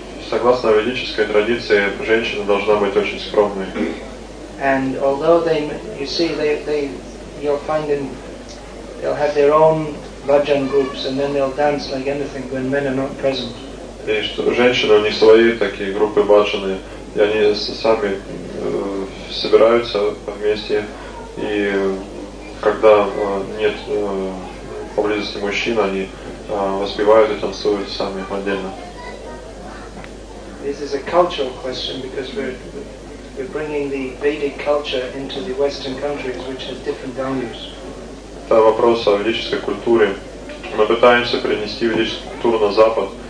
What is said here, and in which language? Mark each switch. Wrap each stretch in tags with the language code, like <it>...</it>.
<ru>Согласно ведической традиции, женщина должна быть очень скромной.</ru> <en>And although they, you see, they, you'll find in, they'll have their own bhajan groups, and then they'll dance like anything when men are not present.</en> <ru>И что женщины, у них свои такие группы бхаджаны, и они сами собираются вместе, и когда нет поблизости мужчин, они воспевают и танцуют сами отдельно.</ru> <en>This is a cultural question because we're bringing the Vedic culture into the Western countries, which has different values.</en> <ru>Это вопрос о ведической культуре. Мы пытаемся принести ведическую культуру на Запад.</ru>